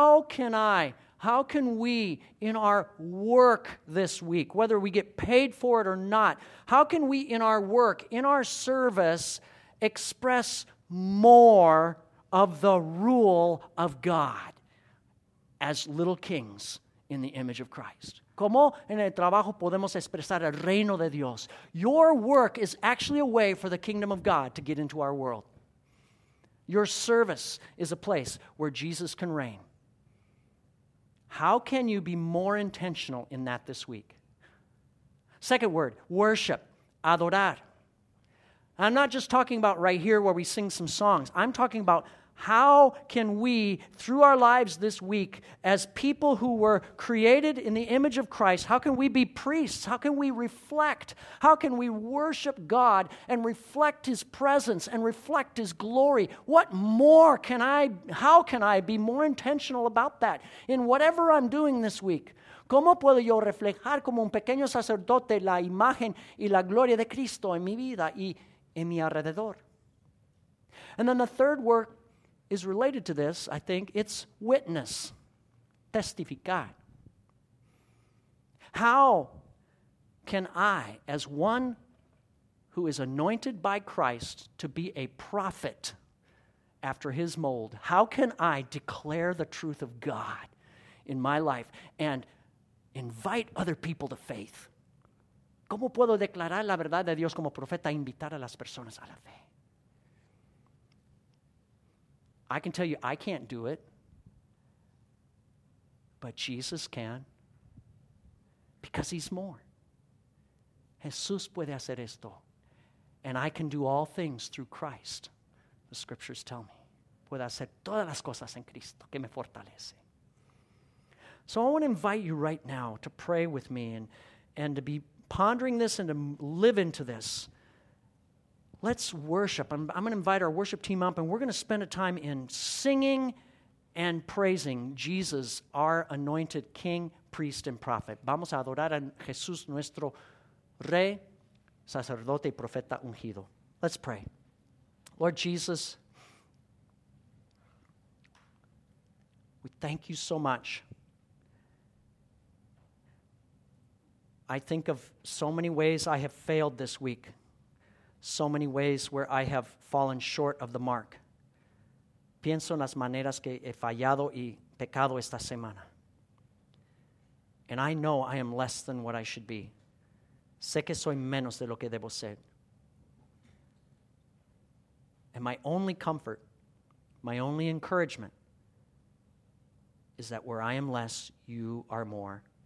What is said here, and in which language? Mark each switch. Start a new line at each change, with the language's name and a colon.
English: How can we, in our work this week, whether we get paid for it or not, how can we, in our work, in our service, express more of the rule of God as little kings in the image of Christ?
Spanish: ¿Cómo en el trabajo podemos expresar el reino de Dios?
English: Your work is actually a way for the kingdom of God to get into our world. Your service is a place where Jesus can reign. How can you be more intentional in that this week? Second word, worship, adorar. I'm not just talking about right here where we sing some songs. I'm talking about how can we, through our lives this week, as people who were created in the image of Christ, how can we be priests? How can we reflect? How can we worship God and reflect his presence and reflect his glory? How can I be more intentional about that in whatever I'm doing this week?
Spanish: ¿Cómo puedo yo reflejar como un pequeño sacerdote la imagen y la gloria de Cristo en mi vida y en mi alrededor?
English: And then the third work is related to this, I think. It's witness, testificar. How can I, as one who is anointed by Christ to be a prophet after his mold, how can I declare the truth of God in my life and invite other people to faith?
Spanish: ¿Cómo puedo declarar la verdad de Dios como profeta e invitar a las personas a la fe?
English: I can tell you I can't do it, but Jesus can, because he's more.
Spanish: Jesús puede hacer esto,
English: and I can do all things through Christ, the scriptures tell me.
Spanish: Puedo hacer todas las cosas en Cristo que me fortalece.
English: So I want to invite you right now to pray with me and to be pondering this and to live into this. Let's worship. I'm going to invite our worship team up, and we're going to spend a time in singing and praising Jesus, our anointed King, Priest, and Prophet.
Spanish: Vamos a adorar a Jesús, nuestro Rey, Sacerdote, Profeta, Ungido.
English: Let's pray. Lord Jesus, we thank you so much. I think of so many ways I have failed this week. So many ways where I have fallen short of the mark.
Spanish: Pienso en las maneras que he fallado y pecado esta semana.
English: And I know I am less than what I should be.
Spanish: Sé que soy menos de lo que debo ser.
English: And my only comfort, my only encouragement, is that where I am less, you are more.